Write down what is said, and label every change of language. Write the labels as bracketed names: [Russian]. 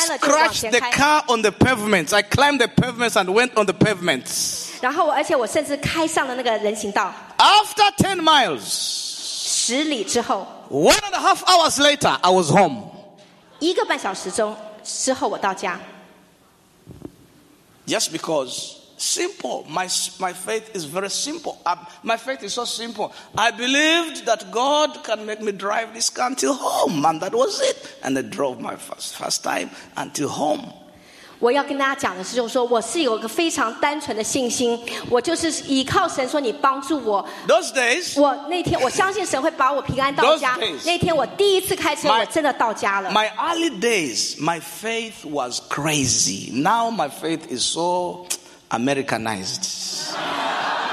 [English] I scratched the car on the pavements. I climbed the pavements and went on the pavements. [Chinese] 然后而且我甚至开上了那个人行道。 [English] After 10 miles. [Chinese] 10里之后。 [English] 1.5 hours later, I was home. [Chinese] 一个半小时之后我到家。 [English] Just because simple, my faith is very simple. My faith is so simple. I believed that God can make me drive this car until home, and that was it. And I drove my first time until home. [Chinese] 我要跟大家讲的是，就是说我是有个非常单纯的信心，我就是依靠神说你帮助我。 [English] Those days， [Chinese] 我那天我相信神会把我平安到家。 [English] Those days， [Chinese] 那天我第一次开车，我真的到家了。 [English] My early days， my faith was crazy. Now my faith is so Americanized.